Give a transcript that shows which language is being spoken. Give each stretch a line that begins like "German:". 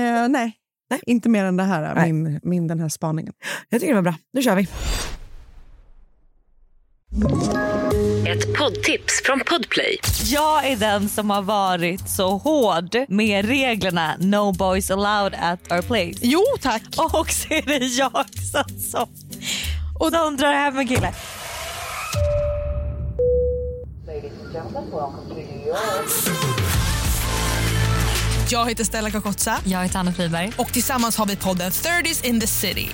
Swedish: Nej. Inte mer än det här. Min den här spaningen. Jag tycker det var bra. Nu kör vi. Ett poddtips från Podplay. Jag är den som har varit så hård med reglerna.
English: No boys allowed at our place.
Swedish: Jo, tack. Och så är det jag som... Och då undrar jag hem en kille.
English: Ladies and gentlemen, welcome to New York.
Swedish: Jag heter Stella Kakotsa. Jag heter Anna Friberg. Och tillsammans har vi podden 30s in the city.